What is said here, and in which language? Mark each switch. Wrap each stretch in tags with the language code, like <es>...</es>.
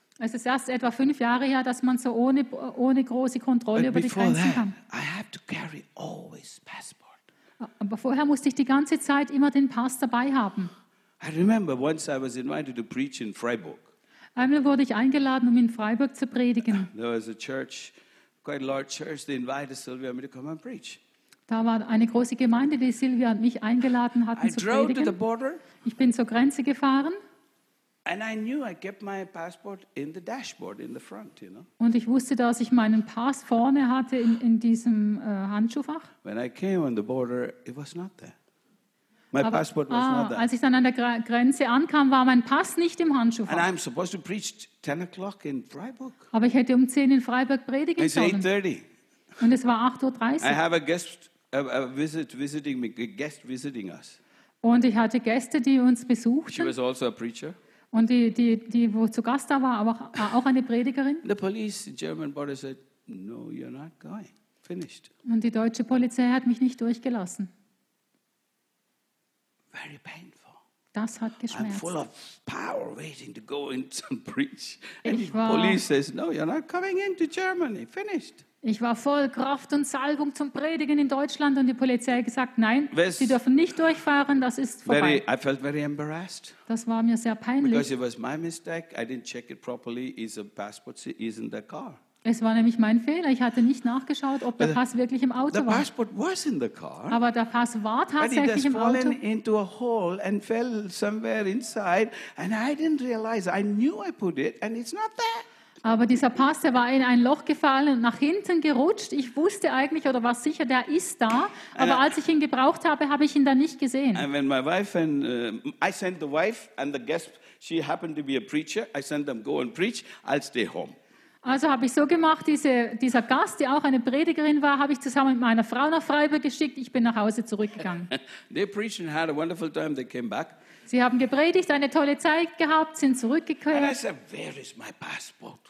<de>Es ist erst etwa 5 Jahre her, dass man so ohne große Kontrolle über die Grenzen kann.</de> <en>I have to carry always passport.</en> <de>Aber vorher musste ich die ganze Zeit immer den Pass dabei haben.</de> <en>I remember once I was invited to preach in Freiburg.</en> <de>Einmal wurde ich eingeladen, um in Freiburg zu predigen.</de> <en>There was a church. Quite a large church, they invited Sylvia and me to come and preach.</en> <de>Da war eine große Gemeinde, die Sylvia und mich eingeladen hatten zu predigen.</de> <en>I drove to the border.</en> <de>Ich bin zur Grenze gefahren.</de> <en>And I knew I kept my passport in the dashboard, in the front, you know.</en> <de>Und ich wusste, dass ich meinen Pass vorne hatte in diesem Handschuhfach.</de> <en>When I came on the border, it was not there. My passport was not there.</en> <de>Als ich dann an der Grenze ankam, war mein Pass nicht im Handschuhfach.</de> <en>And I'm supposed to preach 10 o'clock in Freiburg.</en> <de>Aber ich hätte 10 in Freiburg predigen sollen.</de> <en>It's 8:30.</en> <de>Und es war 8:30.</de> <en>I have a guest visiting me, a guest visiting us.</en> <de>Und ich hatte Gäste, die uns besuchten.</de> <en>She was also a preacher.</en> <de>Und die wo zu Gast da war, aber auch eine Predigerin.</de> <en>The police, German border said, no, you're not going. Finished.</en> <de>Und die deutsche Polizei hat mich nicht durchgelassen.</de> <en>Very painful.</en> <de>Das hat geschmerzt.</de> <en>I'm full of power waiting to go in and preach. And the police says, no, you're not coming into Germany. Finished.</en> <de>Ich war voll Kraft und Salbung zum Predigen in Deutschland und die Polizei hat gesagt, nein, Sie dürfen nicht durchfahren, das ist vorbei.</de> <en>I felt very embarrassed.</en> <de>Das war mir sehr peinlich.</de> <en>Because it was my mistake, I didn't check it properly, is the passport is in the car.</en> <de>Es war nämlich mein Fehler. Ich hatte nicht nachgeschaut, ob der Pass wirklich im Auto war.</de> <en>The passport was in the car.</en> <de>Aber der Pass war tatsächlich im Auto.</de> <en>But it has fallen into a hole and fell somewhere inside, and I didn't realize. I knew I put it, and it's not there.</en> <de>Aber dieser Pass, der war in ein Loch gefallen und nach hinten gerutscht. Ich wusste eigentlich oder war sicher, der ist da. Aber als ich ihn gebraucht habe, habe ich ihn da nicht gesehen.</de> <en>And when my wife and I sent the wife and the guest, she happened to be a preacher. I sent them go and preach. I'll stay home.</en> <de>Also habe ich so gemacht, dieser Gast, der auch eine Predigerin war, habe ich zusammen mit meiner Frau nach Freiburg geschickt. Ich bin nach Hause zurückgegangen.</de> <en>They preached and had a wonderful time. They came back.</en> <de>Sie haben gepredigt, eine tolle Zeit gehabt, sind zurückgekehrt.</de> <en>And I said, where is my passport?</en>